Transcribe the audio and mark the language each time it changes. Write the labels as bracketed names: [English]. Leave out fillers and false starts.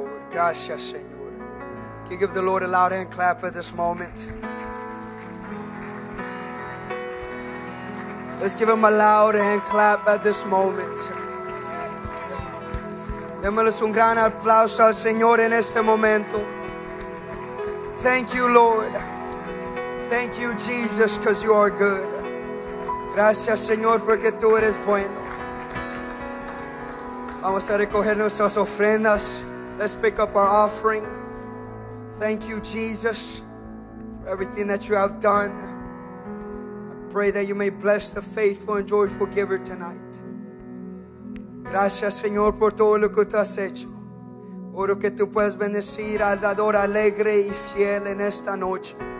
[Spanish] Gracias, Señor. [English] Can you give the Lord a loud hand clap at this moment? Let's give Him a loud hand clap at this moment. [Spanish] Démosles un gran aplauso al Señor en este momento. [English] Thank you, Lord. Thank you, Jesus, because you are good. [Spanish] Gracias, Señor, porque tú eres bueno. Vamos a recoger nuestras ofrendas. [English] Let's pick up our offering. Thank you, Jesus, for everything that you have done. I pray that you may bless the faithful and joyful giver tonight. [Spanish] Gracias, Señor, por todo lo que tú has hecho. Oro que tú puedas bendecir al dador alegre y fiel en esta noche.